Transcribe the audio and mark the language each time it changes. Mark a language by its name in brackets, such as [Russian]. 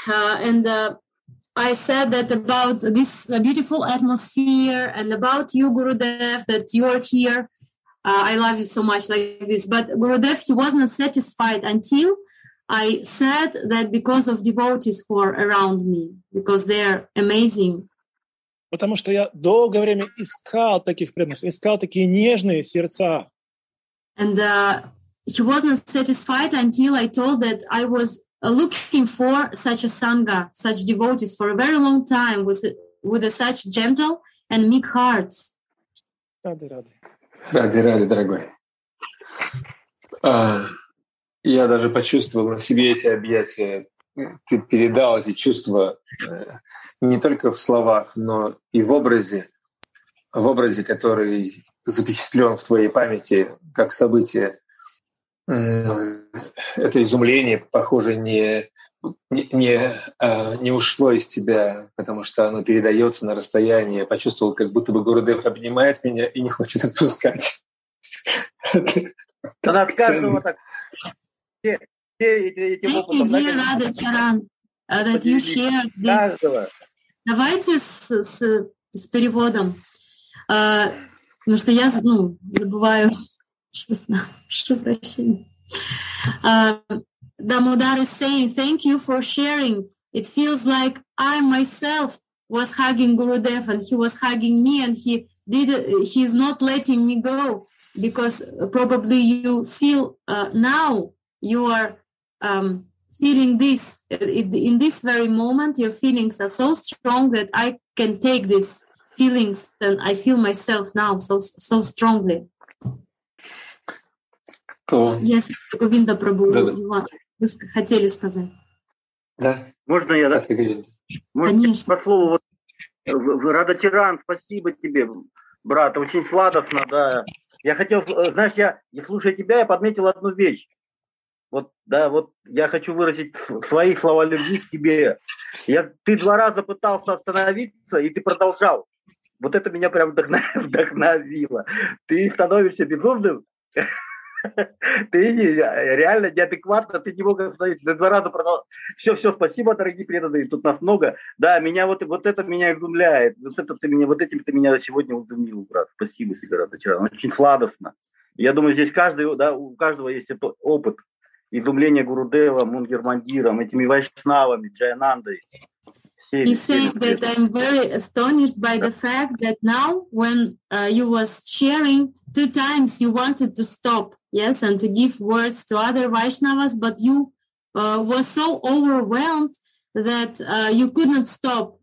[English] I said that about this beautiful atmosphere and about you, Gurudev, that you are here. I love you so much, like this. But Gurudev, he was not satisfied until I said that because of devotees who are around me, because they are amazing. [Russian] Потому что я долгое время искал таких преданных, искал такие нежные сердца. [English] And he was not satisfied until I told that I was looking for such a sangha, such devotees for a very long time with a such gentle and meek hearts. [Russian] Ради, дорогой. Я даже почувствовал на себе эти объятия. Ты передал эти чувства не только в словах, но и в образе, который запечатлен в твоей памяти как событие. Это изумление, похоже, не ушло из тебя, потому что оно передается на расстояние. Я почувствовал, как будто бы Гурудев обнимает меня и не хочет отпускать. Она от каждого так. [English] Thank you, dear Radha Charan, that you shared this. [Russian] Давайте с переводом. Потому что я забываю, честно, прошу прощения. [English] Дамодар is saying, thank you for sharing. It feels like I myself was hugging Gurudev and he was hugging me and he's not letting me go, because probably you feel now you are feeling this in this very moment. Your feelings are so strong that I can take these feelings, and I feel myself now so strongly. [Russian] Если Говинда Прабу, Иван, вы хотели сказать? Да. Можно я, да? Конечно. По слову, вот, Рада Тиран, спасибо тебе, брат, очень сладостно, да. Я хотел, знаешь, я слушая тебя, я подметил одну вещь. Вот, да, вот я хочу выразить свои слова любви к тебе. Ты два раза пытался остановиться, и ты продолжал. Вот это меня прям вдохновило. Ты становишься безумным. Ты реально неадекватно, ты не мог остановиться. Ты два раза продолжал. Все, спасибо, дорогие преданные, тут нас много. Да, меня вот это меня изумляет. Вот этим ты меня сегодня изумил, брат. Спасибо тебе, брат, вчера. Очень сладостно. Я думаю, здесь каждый, да, у каждого есть этот опыт. Изумление Гурудева, Мунгер Мандиром, этими Вайшнавами, Джаянандой. [English] He said that I'm very astonished by the fact that now when you was sharing two times you wanted to stop, yes, and to give words to other Vaishnavas, but you were so overwhelmed that you couldn't stop.